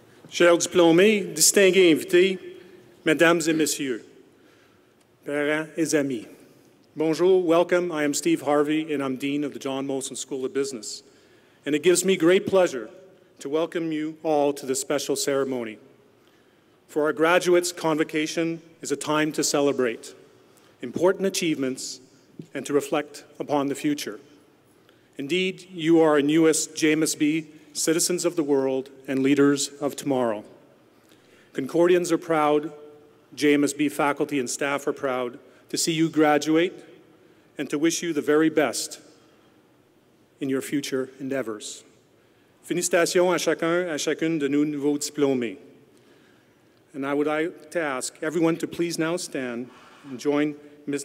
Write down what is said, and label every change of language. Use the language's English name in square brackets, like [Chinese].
[French] Chers diplômés, distingués invités, mesdames et messieurs, parents et amis. [English] Bonjour, welcome. I am Steve Harvey, and I'm Dean of the John-Molson School of Business. And it gives me great pleasure to welcome you all to this special ceremony. For our graduates, convocation is a time to celebrate important achievements and to reflect upon the future. Indeed, you are our newest JMSB citizens of the world and leaders of tomorrow. Concordians are proud, JMSB faculty and staff are proud to see you graduate and to wish you the very best in your future endeavors. [French] Félicitations à chacun, à chacune de nos nouveaux diplômés. [English] And I would like to ask everyone to please now stand and join Ms.